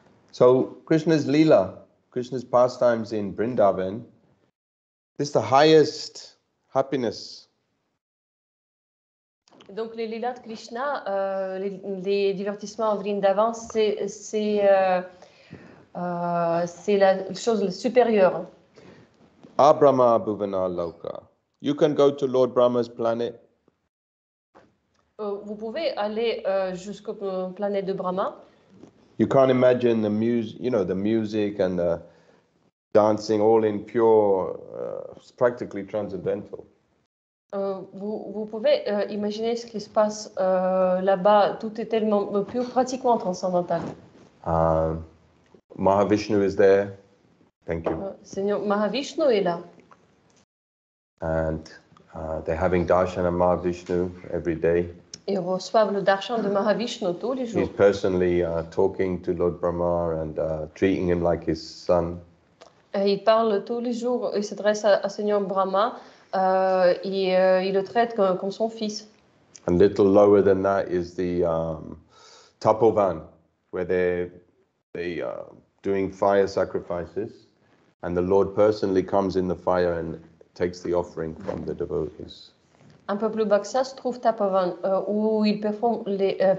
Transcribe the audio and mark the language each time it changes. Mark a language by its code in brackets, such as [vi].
[en] So, Krishna's Leela, Krishna's pastimes in Vrindavan, this is the highest happiness. [fr] Donc, les Leela de Krishna, les divertissements en Vrindavan, c'est la chose supérieure. [sa] Abrahma Bhuvana Loka. [en] You can go to Lord Brahma's planet. [fr] Vous pouvez aller jusqu'au planète de Brahma. [en] You can't imagine the music, you know, the music and the dancing all in pure, practically transcendental. [fr] Vous pouvez imaginer ce qui se passe là-bas. Tout est tellement pur, pratiquement transcendantal. [en] Mahavishnu is there. Thank you. [fr] Seigneur Mahavishnu est là. [en] And they're having darshan of Mahavishnu every day. [fr] Ils reçoivent le darshan de Mahavishnu tous les jours. [en] He's personally talking to Lord Brahma and treating him like his son. [fr] Et il parle tous les jours, il s'adresse à Seigneur Brahma, il le traite comme son fils. [en] A little lower than that is the tapovan, where they're doing fire sacrifices, and the Lord personally comes in the fire and takes the offering from the devotees. [fr] Un peu plus bas que ça se trouve Tapovan, où ils performent les